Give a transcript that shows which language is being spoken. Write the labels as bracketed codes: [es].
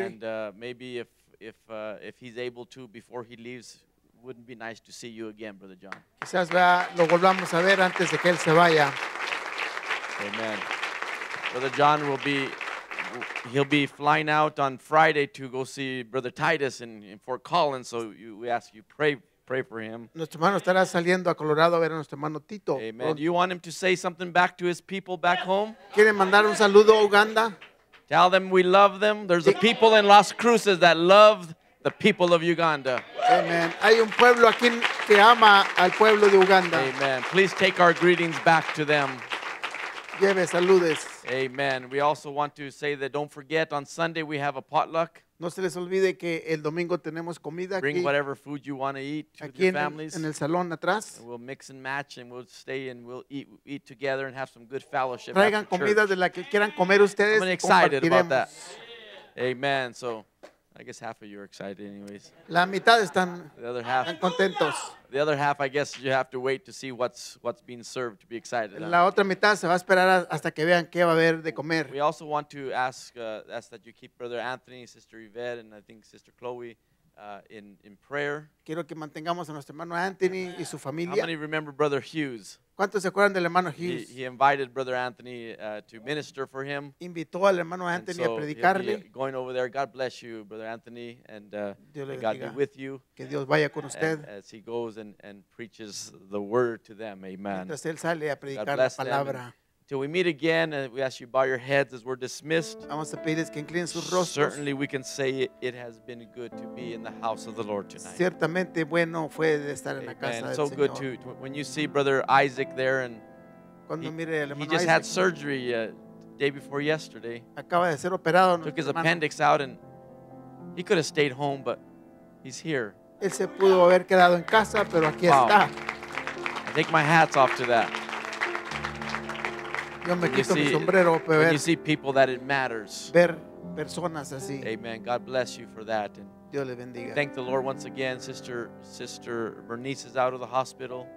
[en] And maybe if he's able to before he leaves, wouldn't be nice to see you again, Brother John. [es] Quizás lo volvamos a ver antes de que él se vaya. [en] Amen. Brother John he'll be flying out on Friday to go see Brother Titus in Fort Collins. So we ask you pray for him. [es] Nuestro hermano estará saliendo a Colorado a ver a nuestro hermano Tito. [en] Amen. Do you want him to say something back to his people back home? [es] ¿Quieren mandar un saludo a Uganda? [en] Tell them we love them. There's a people in Las Cruces that love the people of Uganda. Amen. [es] Hay un pueblo aquí que ama al pueblo de Uganda. [en] Amen. Please take our greetings back to them. [es] Lleve saludes. [en] Amen. We also want to say that don't forget on Sunday we have a potluck. [es] No se les olvide que el domingo tenemos comida. [en] Bring [es] aquí [en] whatever food you want to eat to [es] aquí [en] your families. [es] En el salón atrás. [en] And we'll mix and match and we'll stay and we'll eat together and have some good fellowship. [es] Traigan comida [en] church. [es] De la que quieran comer ustedes. [en] I'm excited about that. Amen. So I guess half of you are excited anyways. [es] La mitad están [en] the other half, [es] contentos. [en] The other half, I guess you have to wait to see what's being served to be excited. [es] La otra mitad se va a esperar hasta que vean qué va a haber de comer. [en] We also want to ask that you keep Brother Anthony, Sister Yvette, and I think Sister Chloe in prayer. [es] Quiero que mantengamos a nuestro hermano Anthony y su familia. [en] How many remember Brother Hughes? [es] ¿Cuántos se acuerdan del hermano Hughes? [en] He invited Brother Anthony to minister for him. [es] Invitó al hermano Anthony [en] and so [es] a predicarle. [en] Going over there, God bless you, Brother Anthony, and God be with you. [es] Que Dios vaya con usted. [en] As he goes and preaches the word to them, amen. [es] Mientras él sale a predicar la palabra. [en] Till we meet again, and we ask you bow your heads as we're dismissed. [es] Vamos a pedirles que inclinen sus rostros. [en] Certainly we can say it has been good to be in the house of the Lord tonight. [es] Ciertamente bueno fue de estar en la casa del Señor. [en] And so good to when you see Brother Isaac there, and [es] cuando mire el hermano [en] he just [es] Isaac, [en] had surgery day before yesterday. [es] Acaba de ser operado. [en] Took his appendix out, and he could have stayed home, but he's here. [es] Él se pudo haber quedado en casa, pero aquí está. [en] I take my hats off to that. When you see people that it matters. [es] Ver personas así. [en] Amen. God bless you for that. And [es] Dios le bendiga. [en] Thank the Lord once again. Sister Bernice is out of the hospital.